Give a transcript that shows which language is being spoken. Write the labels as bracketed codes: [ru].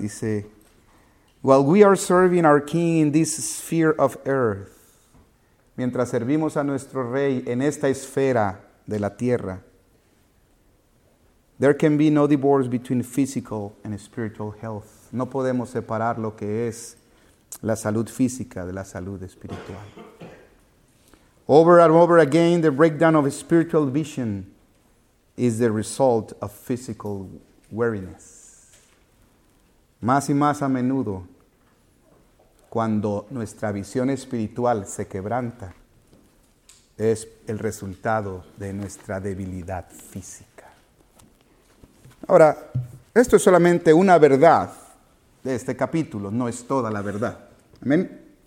[es] Dice, [en] while we are serving our king in this sphere of earth, [es] mientras servimos a nuestro rey en esta esfera de la tierra, [en] there can be no divorce between physical and spiritual health. [es] No podemos separar lo que es la salud física de la salud espiritual. [en] Over and over again, the breakdown of spiritual vision is the result of physical weariness. [es] Más y más a menudo, cuando nuestra visión espiritual se quebranta, es el resultado de nuestra debilidad física. Ahora, esto es solamente una verdad de este capítulo, no es toda la verdad. ¿Amén?